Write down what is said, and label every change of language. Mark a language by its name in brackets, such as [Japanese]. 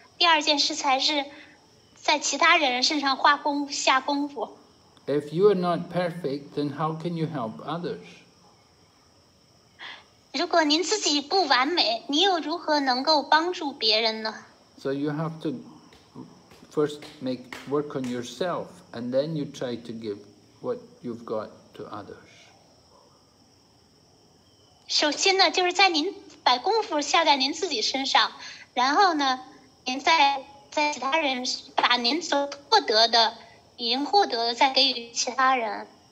[Chinese] 第二件事才是在其他人身上花功夫下功夫。 [English] If you are not perfect, then how can you help others? [Chinese] 如果您自己不完美，你又如何能够帮助别人呢？ [English] So you have to first work on yourself, and then you try to give what you've got to others. [Chinese] 首先呢，就是在您把功夫下在您自己身上，然后呢，您在其他人把您所获得的已经获得了再给予其他人。